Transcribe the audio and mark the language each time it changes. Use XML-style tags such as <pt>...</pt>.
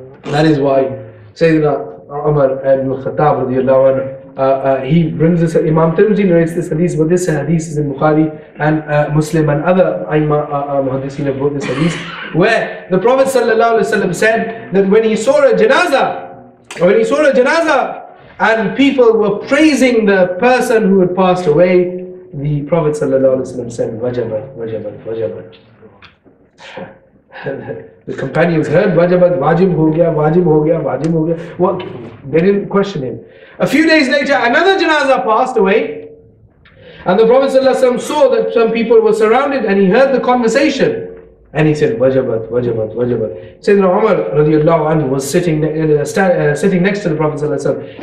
<en>That is why Sayyidina Umar ibn Khattab, he brings this, Imam Tirmidhi narrates this hadith, but this hadith is in Bukhari and Muslim, and other Aima Muhaddisin have brought this hadith, where the Prophet said that when he saw a janazah, and people were praising the person who had passed away, the Prophet said,</en> <ar>"Wajabat, wajabat, wajabat."</ar> <en>The companions heard,</en> <ar>"وجبت،</ar> <ur>واجب ہو گیا، واجب ہو گیا، واجب ہو گیا۔"</ur> <en>What? They didn't question him. A few days later, another janazah passed away, And the Prophet ﷺ saw that some people were surrounded and he heard the conversation. And he said, wajabat, wajabat, wajabat. Sayyidina Umar radiallahu anhu was sitting next to the Prophet ﷺ.</en>